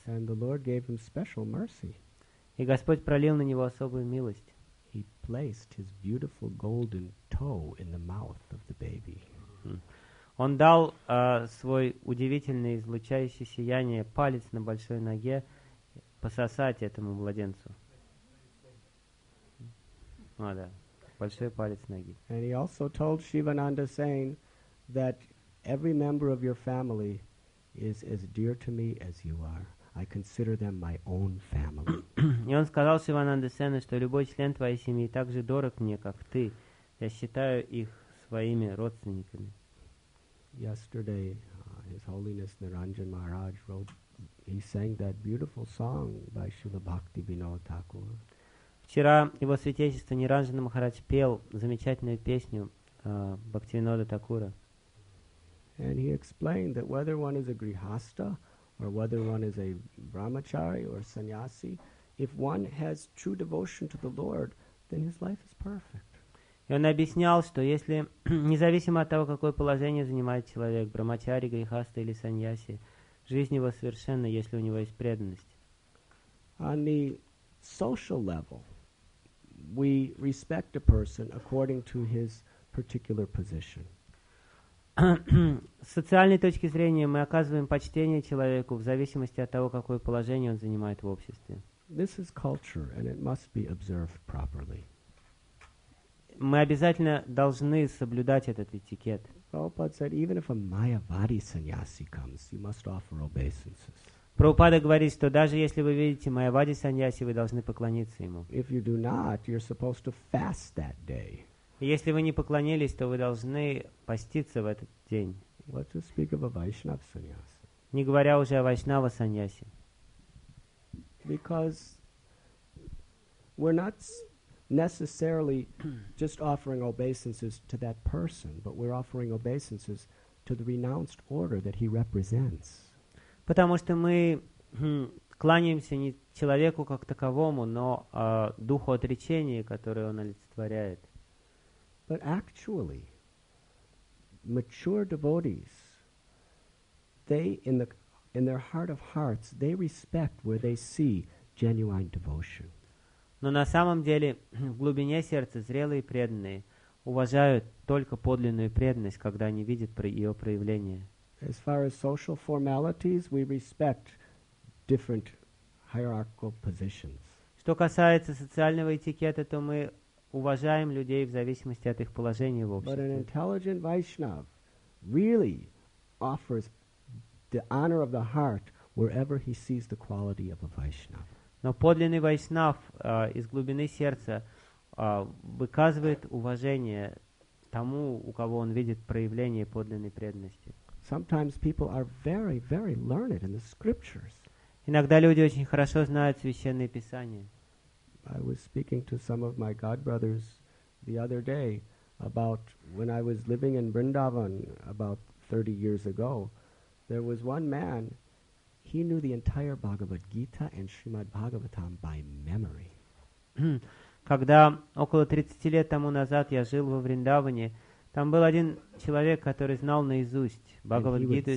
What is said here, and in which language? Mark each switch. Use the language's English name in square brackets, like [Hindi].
[English] And the Lord gave him special mercy. [Russian] И Господь пролил на него особую милость. [English] He placed his beautiful golden toe in the mouth of the baby. [Russian] Он дал свой удивительный излучающий сияние палец на большой ноге пососать этому младенцу. А, да. Большой палец ноги. [English] And he also told Шивананда Сен that every member of your family is as dear to me as you are. I consider them my own family. [Russian] И он сказал Шивананда Сену, что любой член твоей семьи так же дорог мне, как ты. Я считаю их своими родственниками. [English] Yesterday, His Holiness Niranjan Maharaj wrote, he sang that beautiful song by Srila Bhakti Vinod Thakur. [Russian] Вчера его святейшество Ниранджана Махарадж пел замечательную песню Бхактивинода Такура. [English] And he explained that whether one is a grihastha or whether one is a brahmachari or sannyasi, if one has true devotion to the Lord, then his life is perfect. [Russian] И он объяснял, что если независимо от того, какое положение занимает человек, брахмачари, грихаста или саньяси, жизнь его совершенна, если у него есть преданность. [English] On the social level, we respect a person according to his particular position. [Russian] С социальной точки зрения мы оказываем почтение человеку в зависимости от того, какое положение он занимает в обществе. [English] This is culture, and it must be observed properly. [Russian] Мы обязательно должны соблюдать этот этикет. [English] Prabhupada said, even if a Mayavadi sannyasi comes, you must offer obeisances. [Russian] Прабхупада говорит, что даже если вы видите Майавади Саньяси, вы должны поклониться ему. [English] If you do not, you're supposed to fast that day. [Russian] Если вы не поклонились, то вы должны поститься в этот день. [English] What to speak of a Vaishnava sannyasi? [Russian] Не говоря уже о Вайшнава Саньяси. [English] Because we're not necessarily just offering obeisances to that person, but we're offering obeisances to the renounced order that he represents. [Russian] Потому что мы кланяемся не человеку как таковому, но духу отречения, который он олицетворяет. [English] But actually, mature devotees, they in their heart of hearts, they respect where they see genuine devotion. [Russian] Но на самом деле в глубине сердца зрелые преданные уважают только подлинную преданность, когда они видят ее проявление. [English] As far as social formalities, we respect different hierarchical positions. [Russian] Что касается социального этикета, то мы уважаем людей в зависимости от их положения в обществе. [English] But an intelligent Vaishnav really offers the honor of the heart wherever he sees the quality of a Vaishnav. [Russian] Но подлинный Вайшнав из глубины сердца выказывает уважение тому, у кого он видит проявление подлинной преданности. [English] Sometimes people are very, very learned in the scriptures. [Russian] Иногда люди очень хорошо знают священные писания. [English] I was speaking to some of my godbrothers the other day about when I was living in Vrindavan about 30 years ago. There was one man, he knew the entire Bhagavad Gita and Srimad Bhagavatam by memory. [Russian] Когда около 30 лет тому назад я жил во Вриндаване, там был один человек, который знал наизусть Бхагавад-гиту и